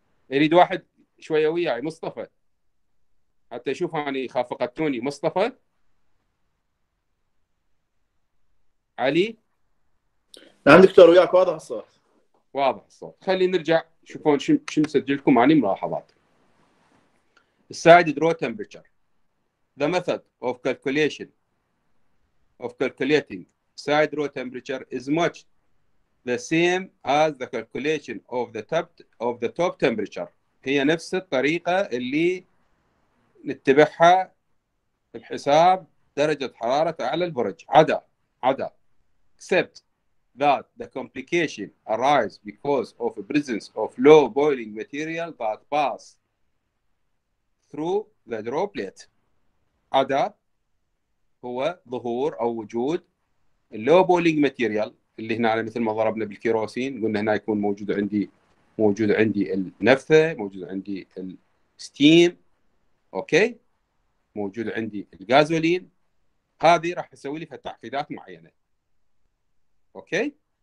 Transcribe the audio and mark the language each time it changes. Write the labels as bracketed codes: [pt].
[ar] يريد واحد شوية وياي مصطفى حتى يشوف اني خاف قتوني. مصطفى علي؟ نعم دكتور، وياك واضح الصوت. واضح الصوت. خلي نرجع شوفون شو مسجلكم عني ملاحظات. السايد درو تمبرتشر. [en] The method of calculation of calculating side draw temperature is much the same as the calculation of the top temperature. [ar] هي نفس الطريقة اللي نتبعها لحساب درجة حرارة أعلى البرج. عدا [en] except that the complication arises because of the presence of low boiling material that pass through the droplet. [ar] عدا هو ظهور أو وجود low boiling material اللي هنا على مثل ما ضربنا بالكيروسين، قلنا هنا يكون موجود عندي النفة، موجود عندي الستيم، أوكي، موجود عندي الغازولين، هذه راح تسوي لي في تعقيدات معينة، أوكي.